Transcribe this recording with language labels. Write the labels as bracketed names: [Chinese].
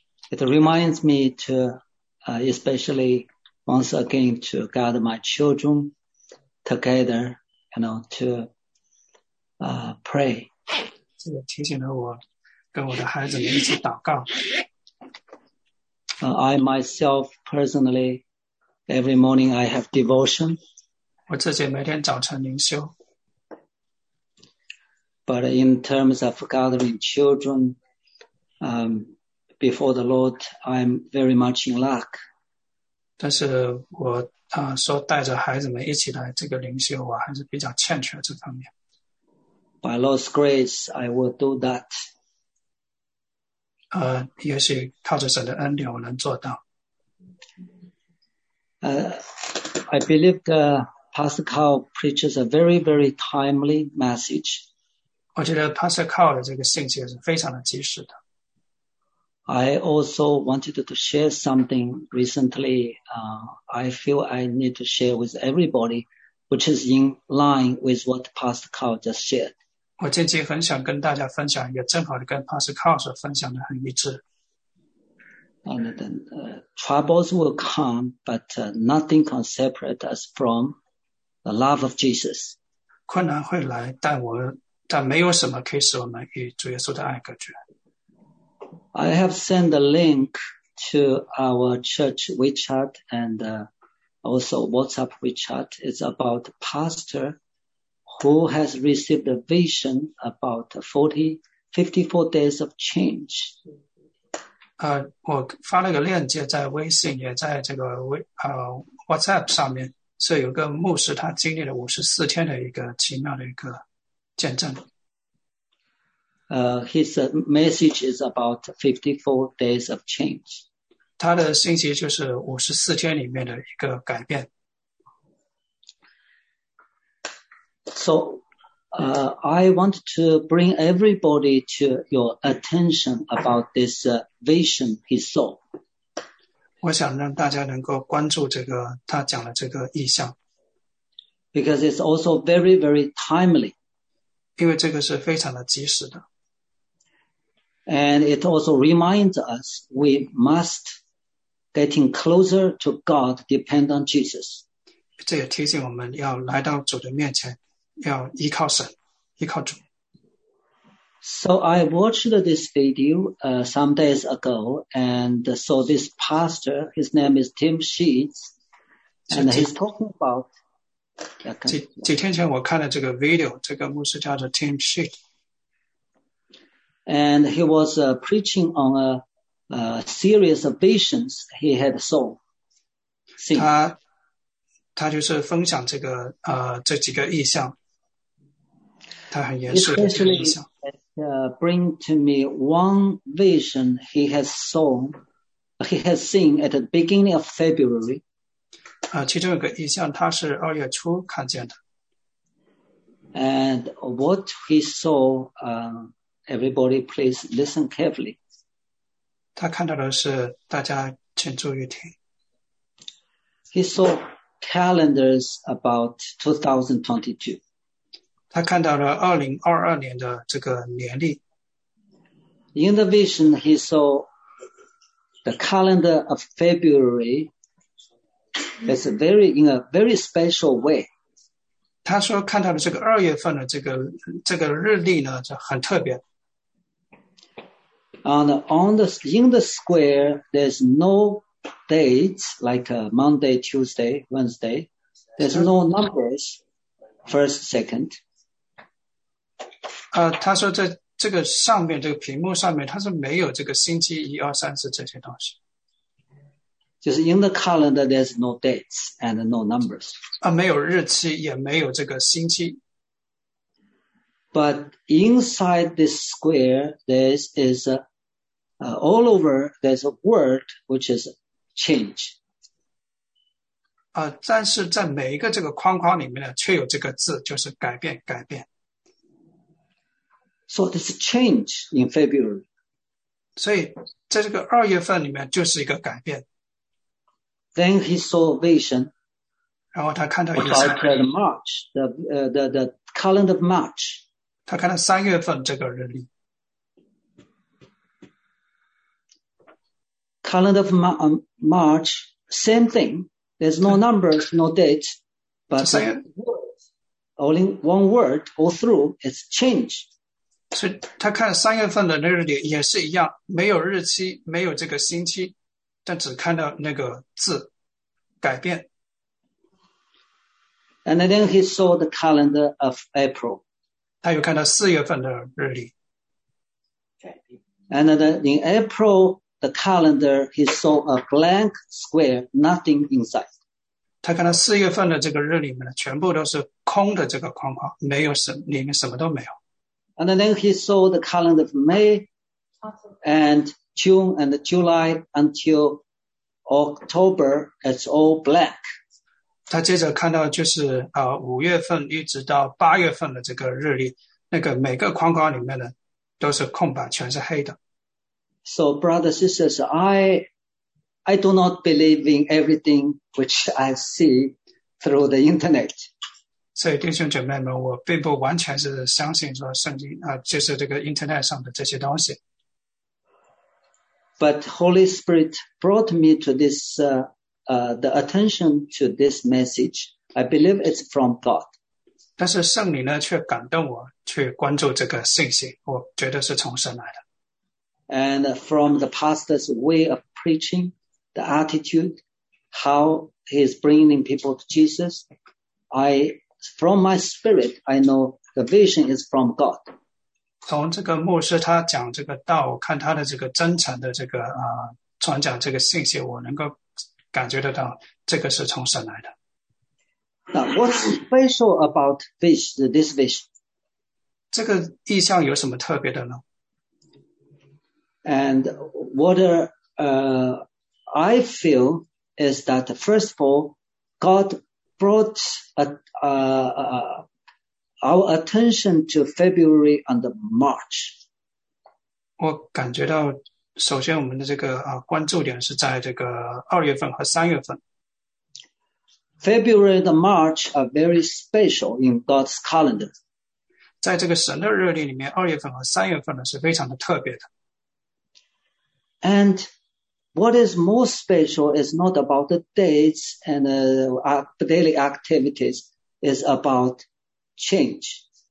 [English] It reminds me to, especially once again to gather my children together, you know, to. Pray. [Chinese] 这个提醒了我跟我的孩子们一起祷告。 [English] I myself personally, every morning I have devotion. [Chinese] 我自己每天早晨灵修。 [English] But in terms of gathering children, before the Lord, I'm very much in lack. [Chinese] 但是我说带着孩子们一起来这个灵修，我还是比较欠缺这方面。 [English] By Lord's grace, I will do that. [Chinese] 也许靠着神的恩典，我能做到。 [English] I believe the Pastor Carl preaches a very, very timely message. [Chinese] 我觉得 Pastor Carl 的这个信息是非常的及时的。 [English] I also wanted to share something recently. I feel I need to share with everybody, which is in line with what Pastor Carl just shared. [Chinese] 我近期很想跟大家分享，也正好跟 Pastor Carl 所分享的很一致。 [English] And then, troubles will come, but nothing can separate us from the love of Jesus. [Chinese] 困难会来，但没有什么可以使我们与主耶稣的爱隔绝。 [English] I have sent a link to our church WeChat and also WhatsApp WeChat. It's about pastor. Who has received a vision about 54 days of change? [Chinese] 我发了个链接在微信，也在这个WhatsApp 上面，是有个牧师他经历了54天的一个奇妙的一个见证。 [English] His message is about 54 days of change. [Chinese] 他的信息就是54天里面的一个改变。 [English] So, I want to bring everybody to your attention about this vision he saw. [Chinese] 我想让大家能够关注这个他讲的这个意象。 [English] Because it's also very, very timely. [Chinese] 因为这个是非常的及时的。 [English] And it also reminds us we must getting closer to God, depend on Jesus. [Chinese] 这也提醒我们要来到主的面前。要依靠神，依靠主。 [English] So I watched this video some days ago, and so this pastor, his name is Tim Sheets, and he's talking about. [Chinese] 几天前我看了这个 video， 这个牧师叫做 Tim Sheets， [English] and he was preaching on a series of visions he had saw. [Chinese] 他就是分享这个这几个意象。 [English] Especially bring to me one vision he has saw, he has seen at the beginning of February. [Chinese] 其中有个意象，他是二月初看见的。 [English] And what he saw, everybody please listen carefully. [Chinese] 他看到的是，大家请注意听。 [English] He saw calendars about 2022. [Chinese] 他看到了2022年的这个年历。 [English] In the vision, he saw the calendar of February. It's in a very special way. [Chinese] 他说看到了这个二月份的这个日历呢，就很特别。 [English] In the square, there's no dates like Monday, Tuesday, Wednesday. There's no numbers, first, second. [Chinese] 他说在这个上面，这个屏幕上面，他是没有这个星期一、二、三、四这些东西。 [English] 就是 in the calendar, there's no dates and no numbers. [Chinese] 没有日期，也没有这个星期。 [English] But inside this square, there is all over, there's a word which is change. [Chinese] 但是在每一个这个框框里面呢，却有这个字，就是改变，改变。 [English] So this change in February. [Chinese] 所以在这个二月份里面就是一个改变。 [English] Then he saw a vision. [Chinese] 然后他看到一 [English] 个。About the March, the calendar of March. [Chinese] 他看到三月份这个日历。 [English] Calendar of March, same thing. There's no numbers, no dates, but only one word all through is change. [Chinese] 所以他看三月份的那日历也是一样，没有日期，没有这个星期，但只看到那个字改变。 [English] And then he saw the calendar of April. [Chinese] 他又看到四月份的日历。 [English] And then in April, the calendar, he saw a blank square, nothing inside. [Chinese] 他看到四月份的这个日历里面全部都是空的这个框框，没有什么，里面什么都没有。 [English] And then he saw the calendar of May and June and July until October. It's all black. [Chinese] 他接着看到就是五月份一直到八月份的这个日历，那个每个框框里面呢都是空白，全是黑的。 [English] So brothers and sisters, I do not believe in everything which I see through the internet. [Chinese] 所以弟兄姐妹们，我并不完全是相信说圣经就是这个 internet 上的这些东西。 [English] But Holy Spirit brought me to this, the attention to this message. I believe it's from God. [Chinese] 但是圣灵呢，却感动我去关注这个信息，我觉得是从神来的。 [English] And from the pastor's way of preaching, the attitude, how he's bringing people to Jesus, From my spirit, I know the vision is from God. [Chinese] 从这个牧师他讲这个道，看他的这个真诚的这个传讲这个信息，我能够感觉得到这个是从神来的。 [English] Now, what's special about this vision? [Chinese] 这个意象有什么特别的呢？ [English] And what I feel is that first of all, God brought a our attention to February and March. [Chinese] 我感觉到首先我们的这个啊关注点是在这个二月份和三月份。 [English] February and March are very special in God's calendar. [Chinese] 在这个神的日历里面，二月份和三月份呢是非常的特别的。 [English] And what is more special is not about the dates and the daily activities, is about change.